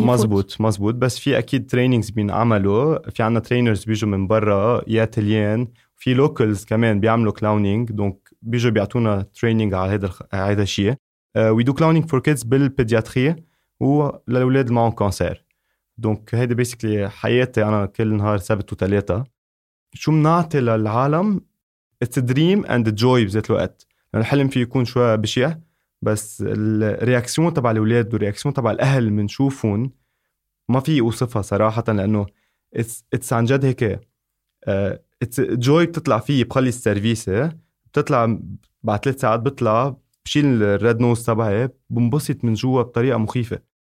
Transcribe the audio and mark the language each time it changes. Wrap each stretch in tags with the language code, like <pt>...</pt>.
<ar>مزبوط بس في أكيد ترينينجز بينعملوا، في عنا ترينرز بيجوا من برا ياتليان، في لوكلز كمان بيعملوا كلاونينج دونك بيجوا بيعطونا ترينينج على هذا الشيء.</ar> <en>we do clowning for kids</en> <ar>بالبيدياتري وللولاد اللي معهم كانسير. دونك هيدي بيسكلي حياتي أنا كل نهار سبت وثلاثة. شو منعطي للعالم؟</ar> <en>It's a dream and a joy</en> <ar>بذات الوقت. الحلم فيه يكون شوية بشيء، بس الرياكسيون تبع الأولاد والرياكسيون تبع الأهل منشوفون ما في أوصفها صراحة، لأنه it's عن جد هيك</ar> <en>it's a joy</en> <ar>بتطلع فيه. بخلي السيرفيس بتطلع بعد 3 ساعات بطلع بشيل الريد نوز تبعي بنبسط من جوا بطريقة مخيفة.</ar>